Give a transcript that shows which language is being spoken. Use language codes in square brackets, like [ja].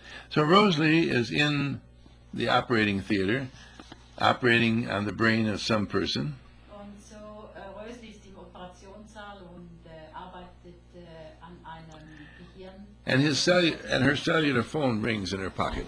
[en] So Rosalie is in the operating theater, operating on the brain of some person. [de] Und so Rosalie ist im Operationssaal und arbeitet an einem Gehirn. [en] And his and her cellular phone rings in her pocket.